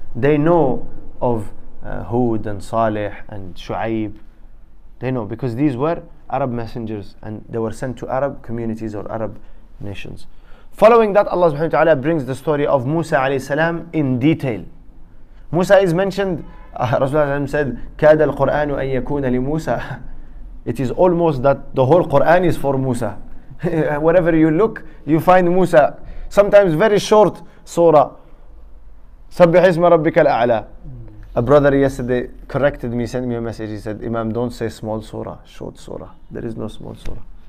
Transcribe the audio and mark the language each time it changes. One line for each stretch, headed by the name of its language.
English: They know of Hud and Salih and Shu'aib. They know because these were Arab messengers and they were sent to Arab communities or Arab nations. Following that, Allah subhanahu wa ta'ala brings the story of Musa alayhi salam in detail. Musa is mentioned. Rasulullah said,
Arabic: كاد القرآن أن يكون لموسى.
English: It is almost that the whole Quran is for Musa. Wherever you look, you find Musa. Sometimes very short surah.
Arabic: سبح اسم ربك الأعلى.
English: A brother yesterday corrected me, sent me a message. He said, Imam, don't say small surah, short surah. There is no small surah.